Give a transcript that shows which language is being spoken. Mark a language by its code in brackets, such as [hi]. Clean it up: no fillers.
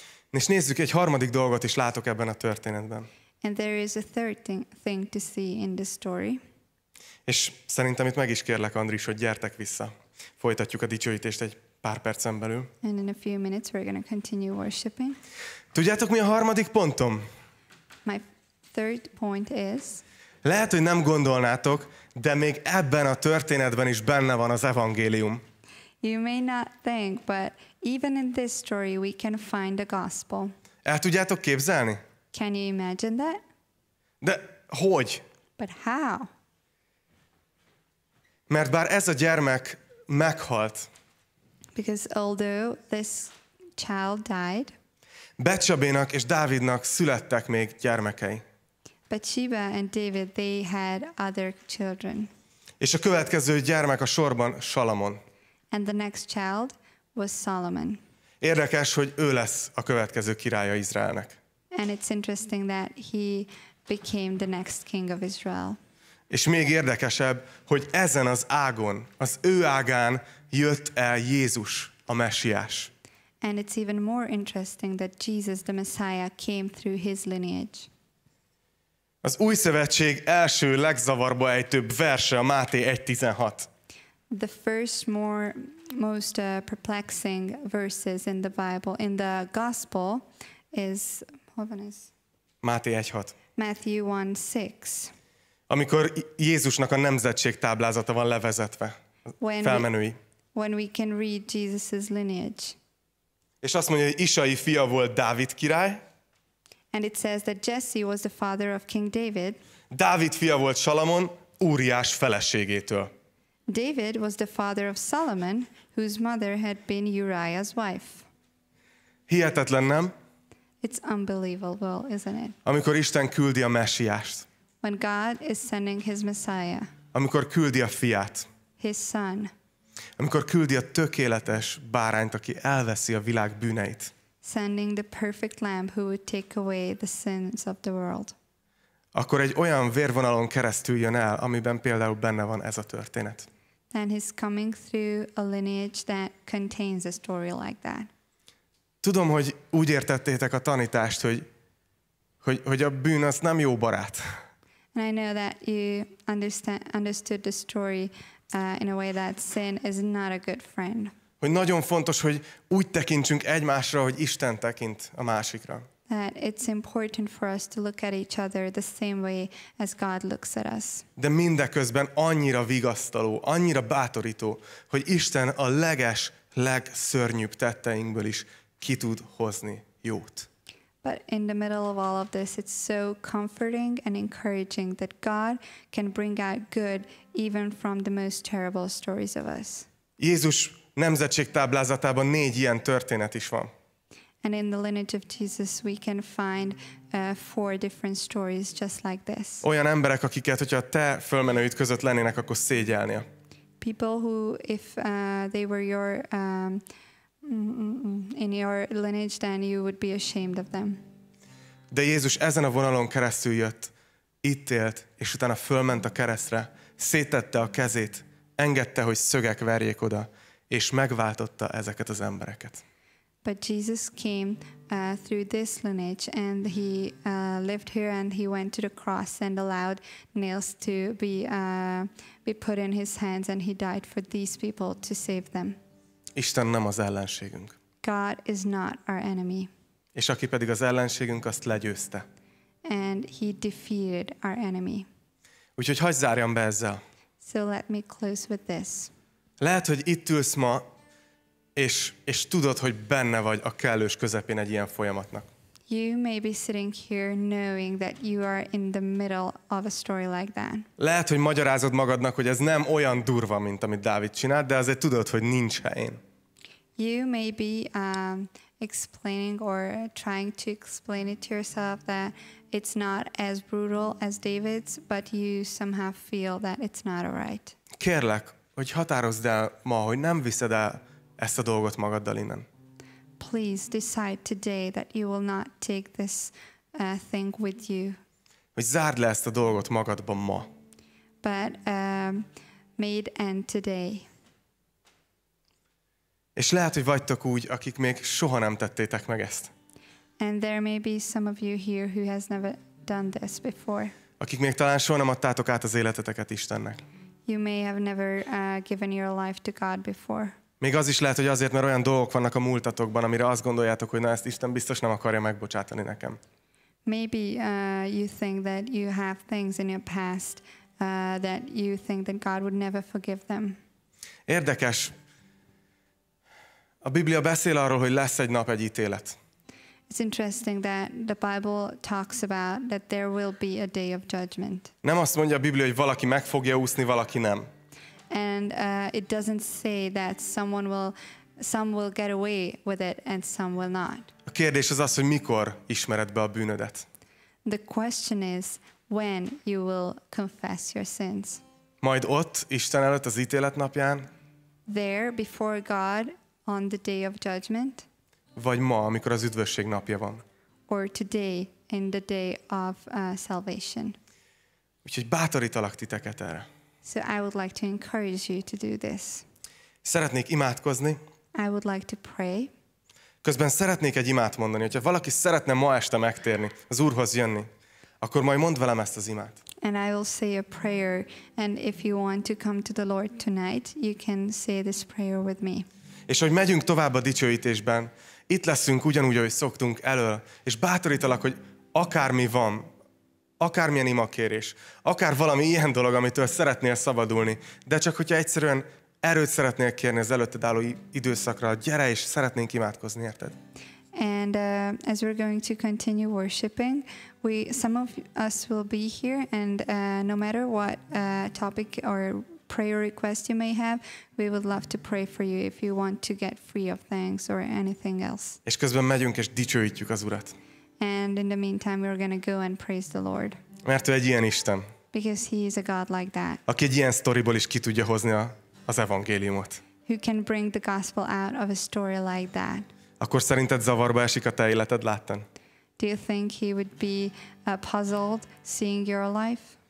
[hu] És nézzük, egy harmadik dolgot is látok ebben a történetben. [en] And there is a third thing to see in this story. [hu] És szerintem itt meg is kérlek, Andris, hogy gyertek vissza. Folytatjuk a dicsőítést egy pár percen belül. [en] And in a few minutes we're going to continue worshiping. [hu] Tudjátok, mi a harmadik pontom? [en] My third point is... [hu] Lehet, hogy nem gondolnátok, de még ebben a történetben is benne van az evangélium. [en] You may not think, but even in this story we can find the gospel. [hu] El tudjátok képzelni? [en] Can you imagine that? [hu] De hogy? [en] But how? [hu] Mert bár ez a gyermek meghalt. [en] Because although this child died. [hu] Betsabénak és Dávidnak születtek még gyermekei. [en] Bathsheba and David, they had other children. [hu] És a következő gyermek a sorban Salamon. [en] And the next child was Solomon. [hu] Érdekes, hogy ő lesz a következő királya Izraelnek. [en] And it's interesting that he became the next king of Israel. [hu] És még érdekesebb, hogy ezen az ágon, az ő ágán jött el Jézus, a Messiás. [en] And it's even more interesting that Jesus, the Messiah, came through his lineage. [hu] Az Új Szövetség első legzavarba ejtőbb verse a Máté 1:16. [en] The first most perplexing verses in the Bible, in the Gospel, is, [hu] hol van ez? Máté 1:6. [en] Matthew 1:6. [hu] Amikor Jézusnak a nemzetség táblázata van levezetve, felmenői. [en] When we can read Jesus's lineage. [hu] És azt mondja, hogy Isai fia volt Dávid király. [en] And it says that Jesse was the father of King David. [hu] Dávid fia volt Salamon Úriás feleségétől. [en] David was the father of Solomon, whose mother had been Uriah's wife. [hu] Hihetetlen, nem? [en] It's unbelievable, isn't it? [hu] Amikor Isten küldi a Messiást. [en] When God is sending his Messiah. [hu] Amikor küldi a fiát. [en] His son. [hu] Amikor küldi a tökéletes bárányt, aki elveszi a világ bűneit. [en] Sending the perfect lamb who would take away the sins of the world. [hu] Akkor egy olyan vérvonalon keresztül jön el, amiben például benne van ez a történet. [en] Then he's coming through a lineage that contains a story like that. [hu] Tudom, hogy úgy értettétek a tanítást, hogy a bűn az nem jó barát. [en] And I know that you understood the story in a way that sin is not a good friend. [hu] Hogy nagyon fontos, hogy úgy tekintsünk egymásra, hogy Isten tekint a másikra. [en] That it's important for us to look at each other the same way as God looks at us. [hu] De mindeközben annyira vigasztaló, annyira bátorító, hogy Isten a legszörnyűbb tetteinkből is ki tud hozni jót. [en] But in the middle of all of this, it's so comforting and encouraging that God can bring out good even from the most terrible stories of us. [hu] Jézus nemzetségtáblázatában 4 ilyen történet is van. [en] And in the lineage of Jesus, we can find 4 different stories just like this. [hu] Olyan emberek, akiket, hogyha te fölmenőid között lennének, akkor szégyelnél. [en] People who, if they were your... in your lineage, then you would be ashamed of them. [hu] De Jézus ezen a vonalon keresztül jött, itt élt, és utána fölment a keresztre, széttette a kezét, engedte, hogy szögek verjék oda, és megváltotta ezeket az embereket. [en] But Jesus came through this lineage, and he lived here, and he went to the cross and allowed nails to be put in his hands, and he died for these people to save them. [hu] Isten nem az ellenségünk. [en] God is not our enemy. [hu] És aki pedig az ellenségünk, azt legyőzte. [en] And he defeated our enemy. [hu] Úgyhogy hagyj zárjam be ezzel. [en] So let me close with this. [hu] Lehet, hogy itt ülsz ma, és tudod, hogy benne vagy a kellős közepén egy ilyen folyamatnak. [en] You may be sitting here knowing that you are in the middle of a story like that. [hu] Lehet, hogy magyarázod magadnak, hogy ez nem olyan durva, mint amit Dávid csinált, de azért tudod, hogy nincs helyén. [en] You may be explaining or trying to explain it to yourself that it's not as brutal as David's, but you somehow feel that it's not all right. [hu] Kérlek, hogy határozd el ma, hogy nem viszed el ezt a dolgot magaddal innen. [en] Please decide today that you will not take this thing with you. [hu] Hogy zárd le ezt a dolgot magadban ma. [en] But made end today. [hu] És lehet, hogy vagytok úgy, akik még soha nem tettétek meg ezt. [en] And there may be some of you here who has never done this before. [hu] Akik még talán soha nem adtátok át az életeteket Istennek. [en] You may have never given your life to God before. [hu] Még az is lehet, hogy azért, mert olyan dolgok vannak a múltatokban, amire azt gondoljátok, hogy na, ezt Isten biztos nem akarja megbocsátani nekem. [en] Maybe you think that you have things in your past that you think that God would never forgive them. [hu] Érdekes. A Biblia beszél arról, hogy lesz egy nap egy ítélet. [en] It's interesting that the Bible talks about that there will be a day of judgment. [hu] Nem azt mondja a Biblia, hogy valaki meg fogja úszni, valaki nem. [en] And it doesn't say that some will get away with it and some will not. [hu] A kérdés az az, hogy mikor ismered be a bűnödet. [en] The question is when you will confess your sins. [hu] Majd ott Isten előtt az ítélet napján. [en] There before God on the day of judgment. [hu] Vagy ma, amikor az üdvösség napja van. [en] Or today in the day of salvation. [hu] Úgyhogy bátorítalak titeket erre. [en] So I would like to encourage you to do this. [hu] Szeretnék imádkozni. [en] I would like to pray. [hu] Közben szeretnék egy imát mondani, hogyha valaki szeretne ma este megtérni, az Úrhoz jönni, akkor majd mondd velem ezt az imát. [en] And I will say a prayer, and if you want to come to the Lord tonight, you can say this prayer with me. [hu] És hogy megyünk tovább a dicsőítésben, itt leszünk ugyanúgy, ahogy szoktunk elől, és bátorítalak, hogy akármi van, akármilyen imakérés, akár valami ilyen dolog, amitől szeretnél szabadulni, de csak hogyha egyszerűen erőt szeretnél kérni az előtted álló időszakra, gyere és szeretnénk imádkozni, érted? [en] And as we're going to continue worshiping, some of us will be here, and no matter what topic or prayer request you may have, we would love to pray for you if you want to get free of things or anything else. [hu] És közben megyünk és dicsőítjük az Urat. [en] And in the meantime, we're going to go and praise the Lord. [hu] Mert ő egy ilyen Isten. [en] Because he is a God like that. [hu] Aki egy ilyen sztoriból is ki tudja hozni az evangéliumot. [en] Who can bring the gospel out of a story like that. [hu] Akkor szerinted zavarba esik a te életed, láttan? [en] Do you think he would be puzzled seeing your life?